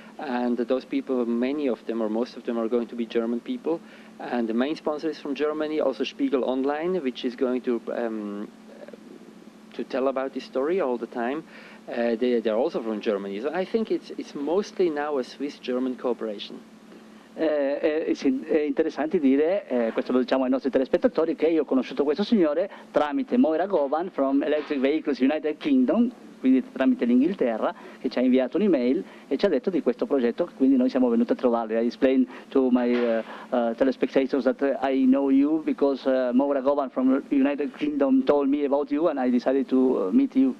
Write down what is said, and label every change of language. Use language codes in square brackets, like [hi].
[en] And those people, many of them, or most of them, are going to be German people. And the main sponsor is from Germany, also Spiegel Online, which is going to tell about this story all the time. They're also from Germany. So I think it's mostly now a Swiss-German cooperation. [it] È interessante dire, questo lo diciamo ai nostri telespettatori, che io ho conosciuto questo signore tramite Moira Govan from Electric Vehicles United Kingdom, quindi tramite l'Inghilterra, che ci ha inviato un'email e ci ha detto di questo progetto, quindi noi siamo venuti a trovarli. [en] I explain to my telespectators that I know you because Maura Govan from United Kingdom told me about you and I decided to meet you.